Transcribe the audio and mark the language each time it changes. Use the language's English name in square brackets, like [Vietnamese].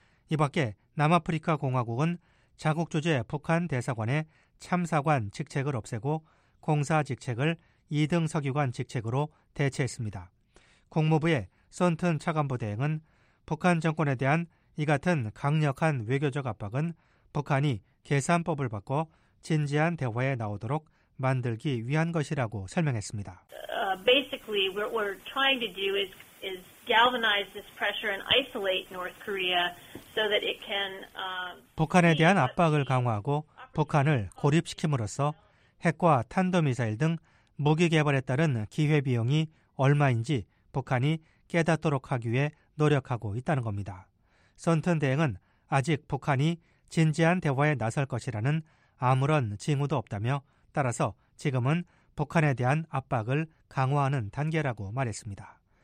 [Korean] 이 밖에 남아프리카 공화국은 자국 조제 북한 대사관의 참사관 직책을 없애고 공사 직책을 2등 서기관 직책으로 대체했습니다. 국무부의 썬튼 차관보대행은 북한 정권에 대한 이 같은 강력한 외교적 압박은 북한이 계산법을 바꿔 진지한 대화에 나오도록 만들기 위한 것이라고 설명했습니다. [English] Basically, what we're trying to do is galvanize this pressure and isolate North Korea so that it can [Korean] 북한에 대한 압박을 강화하고 북한을 고립시킴으로써 핵과 탄도미사일 등 무기 개발에 따른 기회 비용이 얼마인지 북한이 깨닫도록 하기 위해 노력하고 있다는 겁니다. 썬튼 대행은 아직 북한이 진지한 대화에 나설 것이라는 아무런 징후도 없다며 따라서 지금은 북한에 대한 압박을 강화하는 단계라고 말했습니다.